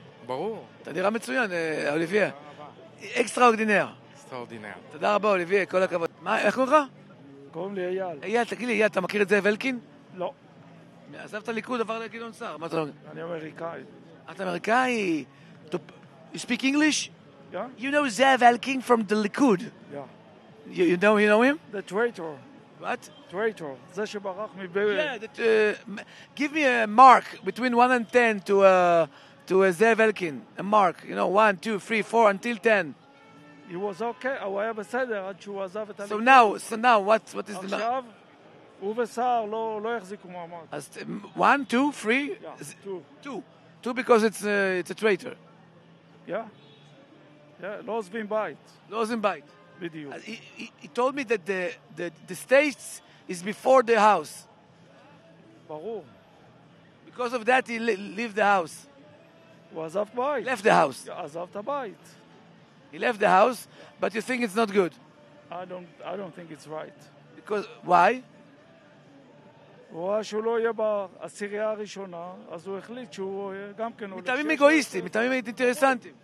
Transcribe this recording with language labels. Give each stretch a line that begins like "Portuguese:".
Hebrew: ברור. אתה נראה מצוין, אוליביה. אקסטראורדינר. אקסטראורדינר. תודה רבה, אוליביה, כל הכבוד. מה, איך קוראים לך? קוראים לי אייל. אייל, תגיד לי, אייל, אתה מכיר את זאב אלקין? לא. עזבת ליכוד, עבר לגדעון סער, מה אתה אומר? אני אמריקאי. אתה אמריקאי?
English: You speak English? Yeah. You know Zev Elkin from the Likud? Yeah. You know him? The traitor. What?
Hebrew: Traitor. זה שברח מבי...
English: Yeah, give me a mark between 1 and 10 to Zev Elkin. A mark. You know, 1, 2, 3, 4, until 10. He was okay.
Hebrew: הוא היה בסדר עד שהוא עזב את...
English: So now, what is
Hebrew: עכשיו,
English: the...
Hebrew: עכשיו, הוא וסער לא יחזיקו מעמד. אז 1, 2, 3?
English: Yeah, 2. 2 because it's a traitor. Yeah.
Hebrew: Yeah, לא עוזבים בית. לא עוזבים בית. בדיוק.
English: He told me that the states is before the house.
Hebrew: ברור.
English: Because of that he left the house.
Hebrew: הוא עזב בית.
English: Left the house.
Hebrew: עזב את הבית.
English: He left the house, but you think it's not good? I don't think it's right. Because, why?
Hebrew: הוא רואה שהוא לא יהיה בעשירייה הראשונה, אז הוא החליט שהוא גם כן... מטעמים אגואיסטים, מטעמים אינטרסנטים.